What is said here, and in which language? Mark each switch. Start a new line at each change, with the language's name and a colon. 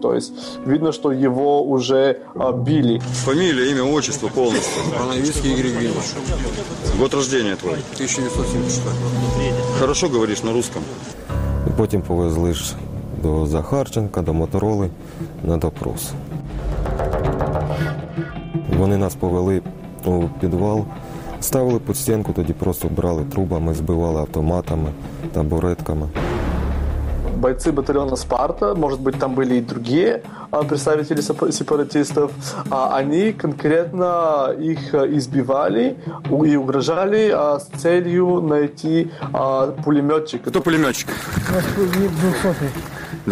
Russian: То есть видно, что его уже били. Фамилия, имя, отчество полностью. Брановицкий Игорь Евгеньевич. Год рождения твой? 1976. Хорошо говоришь на русском. И потом повезли ж до Захарченка, до Мотороли на допрос.
Ukrainian: Вони нас повели у підвал, ставили під стінку, тоді просто брали трубами, збивали автоматами, табуретками.
Russian: Бойцы батальона «Спарта», может быть, там были и другие представители сепаратистов, а они конкретно их избивали и угрожали с целью найти пулеметчика. Кто пулеметчик? 200-й.